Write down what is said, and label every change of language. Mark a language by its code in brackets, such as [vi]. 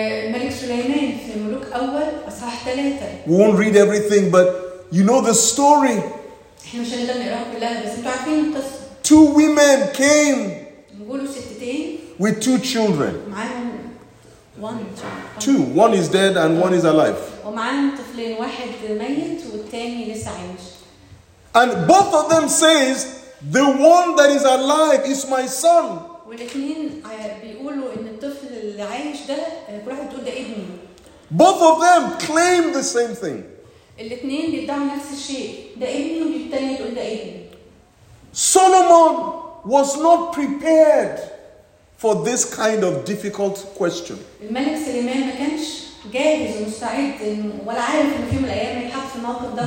[ar] ملك سليمان في ملوك أول أصحاح 3. [en] We won't read everything, but you know the story. [ar] إحنا مش هنقدر نقراها كلها بس انتوا عارفين القصة. [en] Two women came. [ar] نقولوا ستتين. [en] With two children. [ar] معاهم [en] one. Two. One is dead and one is alive. [ar] ومعاهم طفلين واحد ميت والتاني لسه عايش. [en] And both of them says, the one that is alive is my son. [ar] والاثنين بيقولوا ان الطفل اللي عايش ده كل واحد بتقول ده ابني. [en] Both of them claim the same thing. [ar] الاثنين بيدعوا نفس الشيء ده ابني والثانيه تقول ده ابني. [en] Solomon was not prepared for this kind of difficult question. [ar] الملك سليمان ما كانش جاهز ومستعد ولا عارف ان في يوم من الايام هيتحط في الموقف ده.